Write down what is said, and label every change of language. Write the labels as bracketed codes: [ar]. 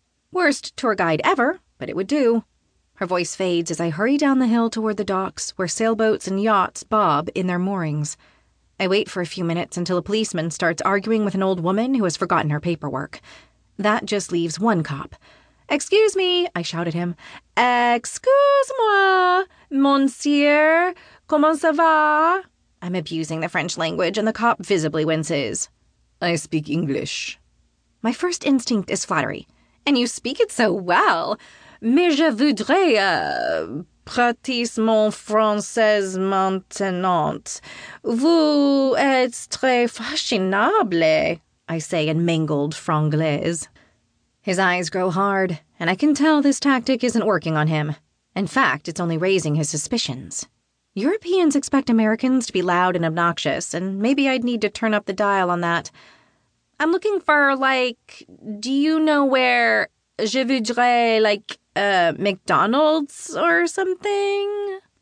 [en] Worst tour guide ever, but it would do. Her voice fades as I hurry down the hill toward the docks where sailboats and yachts bob in their moorings. I wait for a few minutes until a policeman starts arguing with an old woman who has forgotten her paperwork. That just leaves one cop. Excuse me, I shout at him. [fr] Excuse-moi, monsieur, comment ça va? [en] I'm abusing the French language and the cop visibly winces. I speak English. My first instinct is flattery. And you speak it so well. [fr] Mais je voudrais pratiquer mon français maintenant. Vous êtes très fashionable, [en] I say in mangled franglais. His eyes grow hard, and I can tell this tactic isn't working on him. In fact, it's only raising his suspicions. Europeans expect Americans to be loud and obnoxious, and maybe I'd need to turn up the dial on that. I'm looking for, like, do you know where je voudrais, like, McDonald's or something?